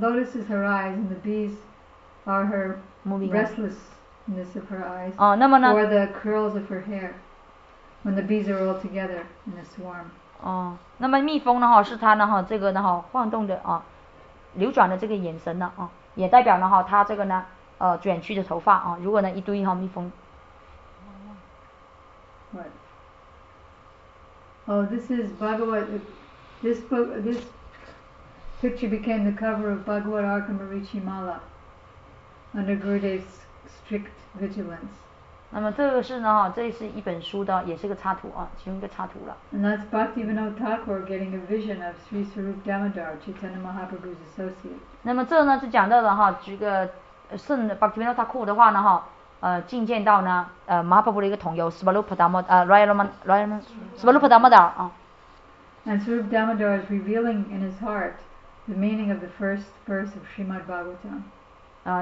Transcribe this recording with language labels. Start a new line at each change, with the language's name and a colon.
English: lotus is her eyes, and the bees are her moving restlessness of her eyes.
Chinese: Oh, 那么呢
English: or the curls of her hair, when the bees are all together in a swarm.
Chinese: 那么蜜蜂呢？哈，是它呢？哈，这个呢？哈，晃动的啊，流转的这个眼神呢？也代表呢？哈，它这个呢？卷曲的头发啊。如果呢，一堆哈蜜蜂。
English: Oh, this is Bhagavad. This book, this picture became the cover of Bhagavad Arkamarichi Mala under Gurudev's strict vigilance.
Chinese: 那么这个是呢，这是一本书的，也是个插图啊，其中一个插图了。
English: And that's Bhaktivinoda Thakur getting a vision of Sri Swarup Damodar, Chaitanya Mahaprabhu's associate.
Chinese: 那么这呢，就讲到了哈，这个圣 Bhaktivinoda Thakur 的话呢，哈。觐见到呢Mahaprabhu 的一个同游 Swarup Damodar
English: And Swarup Damodar is revealing in his heart the meaning of the first verse of Srimad Bhagavatam